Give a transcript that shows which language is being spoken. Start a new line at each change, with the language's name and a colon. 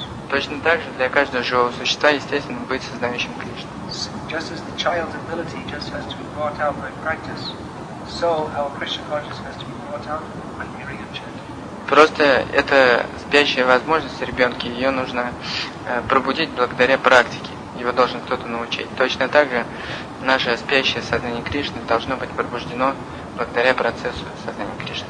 Russian: Точно так же для каждого живого существа естественно быть сознающим Кришну.
English: Just as the child's ability just has to be brought out by practice, so our Krishna consciousness has to be brought out by hearing and chanting.
Russian: Просто это спящая возможность ребенка, ее нужно пробудить благодаря практике. Его должен кто-то научить. Точно так же наше спящее сознание Кришны должно быть пробуждено благодаря процессу сознания Кришны.